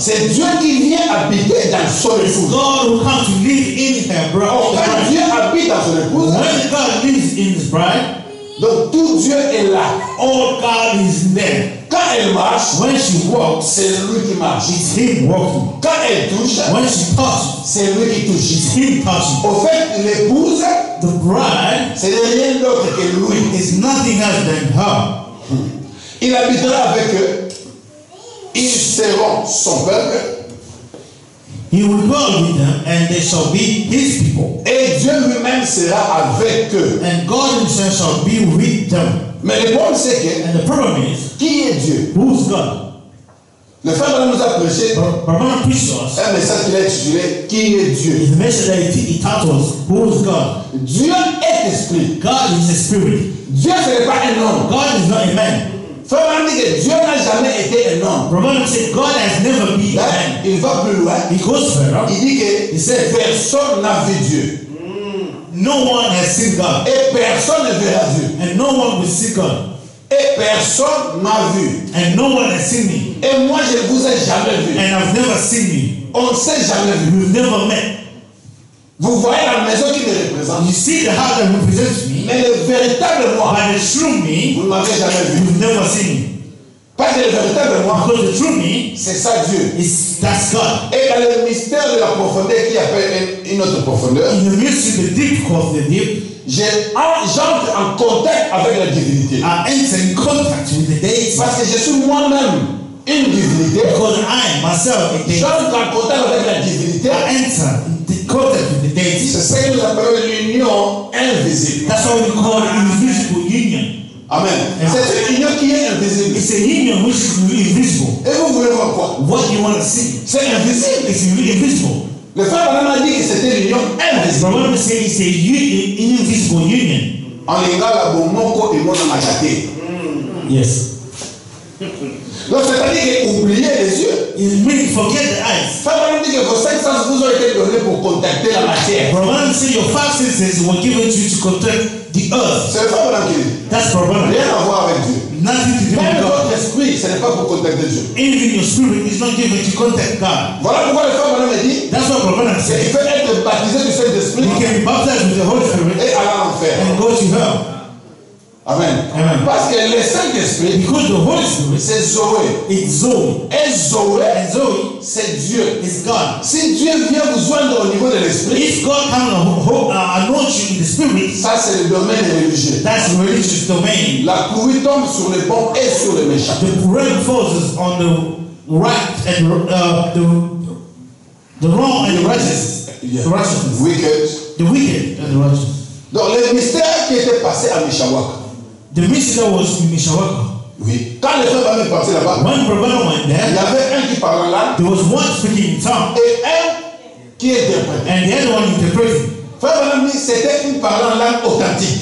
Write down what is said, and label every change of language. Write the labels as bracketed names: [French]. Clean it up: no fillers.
[French] C'est Dieu qui vient habiter dans son épouse. [English] God who comes to live in her bride. [French] Quand Dieu habite dans son épouse, [English] épouse. When God lives in his bride, [French] donc tout Dieu est là. [English] All God is there. [French] Quand elle marche, [English] when she walks, [French] c'est lui qui marche. [English] It's him walking. [French] Quand elle touche, [English] when she touches, [French] c'est lui qui touche. [English] It's him touching. [French] Au fait, l'épouse, [English] the bride, [French] c'est rien d'autre que lui. [English] It's nothing else than her. [French] Il habitera avec eux. Ils seront son peuple. [English] He will dwell with them, and they shall be his people. [French] Et Dieu lui-même sera avec eux. [English] And God himself shall be with them. [French] Mais le problème c'est que, [English] and the problem is, [French] qui est Dieu? [English] Who is God? [French] Le frère nous a prêché un message qu'il a étudié, qui est Dieu? [English] The message that he taught us, who is God? [French] Dieu est esprit. [English] God is a spirit. [French] Dieu ce n'est pas un homme. [English] God is not a man. [French] Frère dit que Dieu n'a jamais été un homme. [English] Romain said God has never been a man. [French] Il va plus loin. [English] He goes further. [French] Il dit que, [English] he said, [French] personne n'a vu Dieu. [English] No one has seen God. [French] Et personne ne verra Dieu. [English] And no one will see God. [French] Et personne m'a vu. [English] And no one has seen me. [French] Et moi je vous ai jamais vu. [English] And I've never seen you. [French] On ne s'est jamais vu. [English] We've never met. [French] Vous voyez la maison qui me représente. [English] You see the house that represents me. [French] Mais le véritable moi. [English] By the true me. [French] Vous ne m'avez jamais vu. [English] You've never seen me. [French] Parce que le véritable moi. [English] Because the true me. [French] C'est ça Dieu. [English] Is that's God. [French] Et dans le mystère de la profondeur qui appelle une autre profondeur. [English] In the mystery of the deep of the deep. [French] J'entre en contact avec la divinité. [English] I enter in contact with the deity. [French] Parce que je suis moi-même une divinité. [English] Because I myself a deity. [French] J'entre en contact avec la divinité. [English] I enter in the contact with the deity. [French] C'est ce que nous appelons l'union invisible. [English] That's what we call invisible union. [French] Amen. Amen. C'est une union qui est invisible. [English] It's a union which is invisible. [French] Et vous voulez voir quoi? [English] What you want to see? [French] C'est invisible. [English] It's invisible. [French] Le frère Branham a dit que c'était l'union invisible. [English] Branham a said it's a union, invisible union. [French] En lingala bomoko et mona machate. [English] Yes. [French] Donc c'est-à-dire qu'oublier les yeux. [English] It means forget the eyes. [French] Frère Branham dit que vos cinq sens vous ont été donnés pour contacter la matière. [English] Branham said your five senses were given to you to contact the earth. [French] C'est le frère Branham qui dit. [English] That's Branham. [French] Rien à voir avec Dieu. [English] Nothing to do [French] même [English] with God. [French] Votre esprit, ce n'est pas pour contacter Dieu. [English] Even your spirit is not given to contact God. [French] Voilà pourquoi le frère Branham a dit. [English] That's what Branham said. [French] Il peut être baptisé du Saint-Esprit. [English] He can be baptized with the Holy Spirit. [French] Et aller en enfer. [English] And go to hell. [French] Amen. [English] Amen. [French] Parce que le Saint-Esprit, [English] because the Holy Spirit, [French] c'est Zoé. [English] It's Zoé. [French] Et Zoé, [English] and Zoé, [French] c'est Dieu. [English] It's God. [French] Si Dieu vient vous joindre au niveau de l'Esprit, [English] if God comes and anoints you in the Spirit, [French] ça c'est le domaine religieux. [English] That's religious domain. [French] La pluie tombe sur les bons et sur les méchants. [English] The rain falls on the right and the wrong and the righteous. Yeah. The righteous. Wicked. The wicked and the righteous. [French] Donc le mystère qui était passé à Mishawak. [English] The mystery was in Mishawaka. [French] Oui. Quand les frères venaient partir là-bas, [English] when Brahman went there, [French] il y avait un qui parlait là. [English] There was one speaking in tongue. [French] Et un qui était prêt. [English] And the other one interpreted. [French] Frère Brahman dit, c'était une parlant langue authentique.